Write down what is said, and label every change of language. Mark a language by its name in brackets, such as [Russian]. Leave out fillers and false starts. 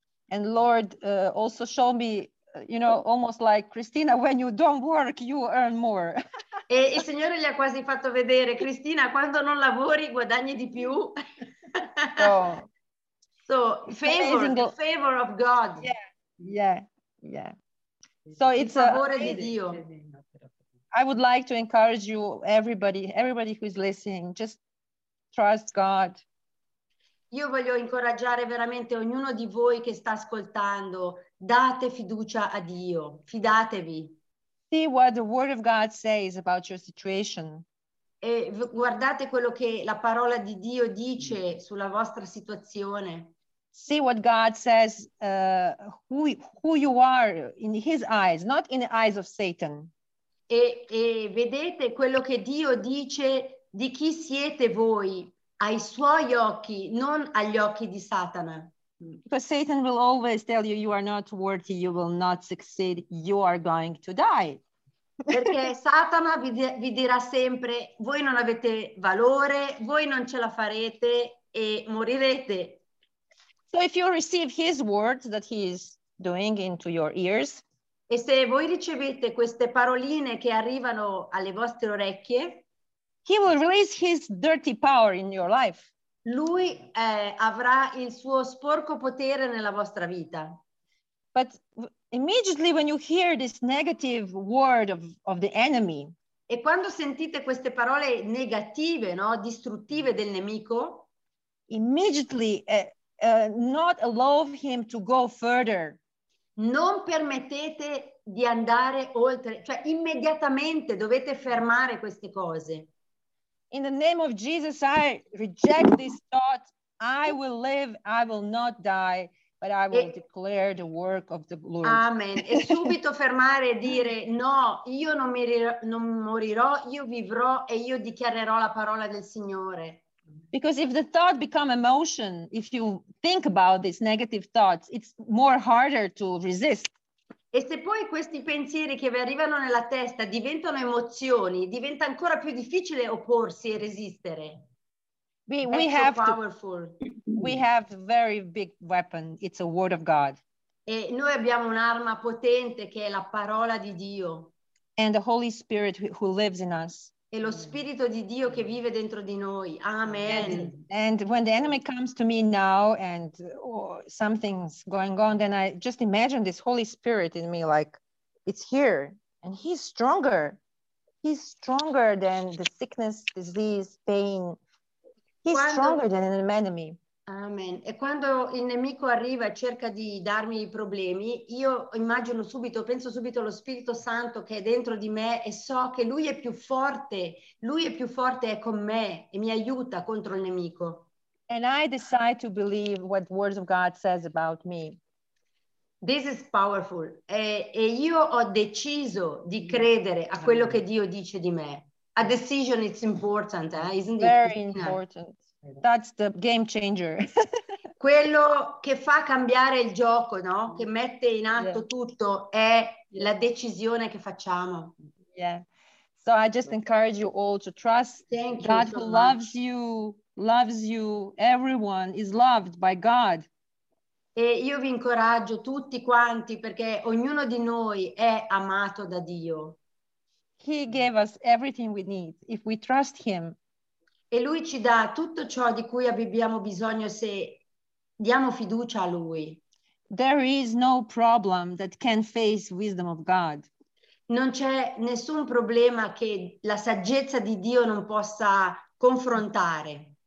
[English] And Lord also show me, you know, almost like Cristina, when you don't work, you earn more. [Italian] E il Signore gli ha quasi fatto vedere, Cristina, quando non lavori guadagni di più. [English] So favor, the favor of God. Yeah. So it's a [Italian] favore di Dio. [English] I would like to encourage you, everybody who is listening, just trust God. [Italian] Io voglio incoraggiare veramente ognuno di voi che sta ascoltando, date fiducia a Dio, fidatevi. [English] See what the word of God says about your situation. [Italian] E guardate quello che la parola di Dio dice sulla vostra situazione. [English] See what God says, who you are in his eyes, not in the eyes of Satan. [Italian] E vedete quello che Dio dice di chi siete voi ai suoi occhi, non agli occhi di Satana. [English] Because Satan will always tell you are not worthy, you will not succeed, you are going to die. [Italian] Perché Satana vi dirà sempre, voi non avete valore, voi non ce la farete e morirete. [English] So if you receive his words that he is doing into your ears, [Italian] e se voi ricevete queste paroline che arrivano alle vostre orecchie, [English] he will release his dirty power in your life. [Italian] Lui avrà il suo sporco potere nella vostra vita. [English] But immediately when you hear this negative word of the enemy, [Italian] e quando sentite queste parole negative, no, distruttive del nemico, [English] immediately not allow him to go further. [Italian] Non permettete di andare oltre, cioè immediatamente dovete fermare queste cose. [English] In the name of Jesus, I reject this thought. I will live, I will not die, but I will declare the work of the Lord. Amen. [Italian] E subito fermare e dire, no, io non morirò, io vivrò e io dichiarerò la parola del Signore. [English] Because if the thought become emotion, if you think about these negative thoughts, it's more harder to resist. [Italian] E se poi questi pensieri che vi arrivano nella testa diventano emozioni, diventa ancora più difficile opporsi e resistere. [English] We have so powerful. We have a very big weapon. It's a word of God. [Italian] E noi abbiamo un'arma potente che è la parola di Dio. [English] And the Holy Spirit who lives in us. [Italian] E lo Spirito di Dio che vive dentro di noi. [English] Amen. And when the enemy comes to me now and something's going on, then I just imagine this Holy Spirit in me, like, it's here. And he's stronger. He's stronger than the sickness, disease, pain. He's stronger than an enemy. Amen. [Italian] E quando il nemico arriva e cerca di darmi i problemi, io immagino subito, penso subito allo Spirito Santo che è dentro di me e so che lui è più forte, è con me e mi aiuta contro il nemico. [English] And I decide to believe what the words of God says about me. This is powerful. [Italian] E io ho deciso di credere a quello che Dio dice di me. [English] A decision is important, isn't it? Very important. That's the game changer. [Italian] Quello che fa cambiare il gioco, no? Che mette in atto tutto è la decisione che facciamo. [English] Yeah. So I just encourage you all to trust. Thank God, God who loves you, loves you. Everyone is loved by God. [Italian] E io vi incoraggio tutti quanti perché ognuno di noi è amato da Dio. [English] He gave us everything we need if we trust him. [Italian] E lui ci dà tutto ciò di cui abbiamo bisogno se diamo fiducia a lui. [English] There is no problem that can face wisdom of God. [Italian] Non c'è nessun problema che la saggezza di Dio non possa confrontare.